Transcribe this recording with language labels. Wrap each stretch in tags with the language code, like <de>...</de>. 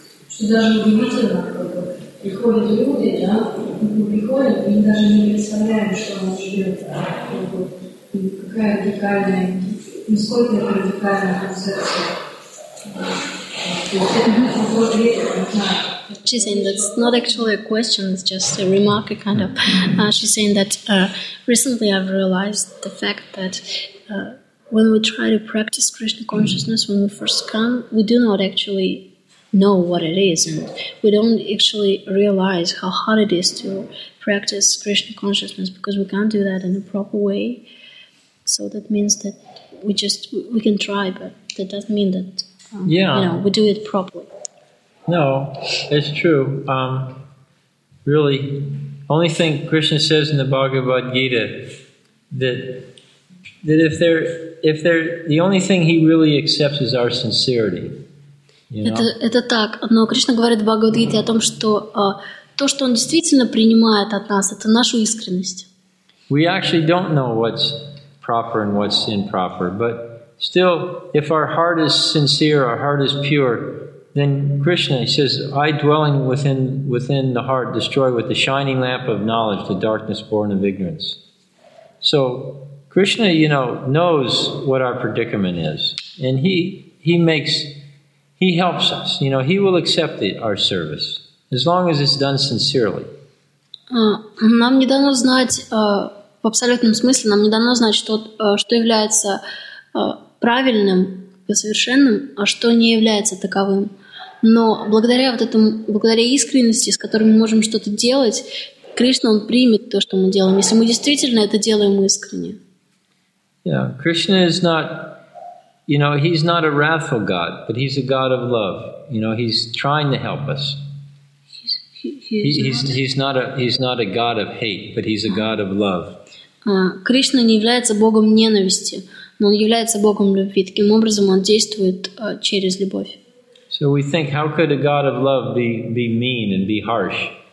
<ru>Что даже удивительно, когда приходят люди, да, приходят, и даже не представляем, что она живет, да, какая радикальная, насколько это радикальная концепция. То есть это будет похоже, я не знаю.</ru> <en>She's saying that's not actually a question, it's just a remark, kind of. She's saying that recently I've realized the fact that when we try to practice Krishna consciousness, when we first come, we do not actually know what it is, and we don't actually realize how hard it is to practice Krishna consciousness, because we can't do that in a proper way. So that means that we can try, but that doesn't mean that we do it properly. No, it's true. Really, only thing Krishna says in the Bhagavad Gita that if they're the only thing he really accepts is our sincerity.</en> <ru>Это так, но Кришна говорит в Бхагавад Гите о том, что то, что он действительно принимает от нас, это нашу искренность.</ru> <en>We actually don't know what's proper and what's improper, but still, if our heart is sincere, our heart is pure, then Krishna, he says, I dwelling within the heart, destroy with the shining lamp of knowledge the darkness born of ignorance. So Krishna, knows what our predicament is. And he helps us. He will accept our service, as long as it's done sincerely.</en> <ru>Нам не дано знать, в абсолютном смысле, нам не дано знать, что является правильным и совершенным, а что не является таковым. Но благодаря вот этому, благодаря искренности, с которой мы можем что-то делать, Кришна, он примет то, что мы делаем, если мы действительно это делаем искренне.</ru> <en>Yeah, Krishna is not, he's not a wrathful God, but he's a God of love. He's trying to help us. He's not a God of hate, but he's a God of love.</en> <ru>Кришна не является Богом ненависти, но он является Богом любви. Таким образом, он действует через любовь.</ru> <en>So we think, how could a God of love be mean and be harsh?</en>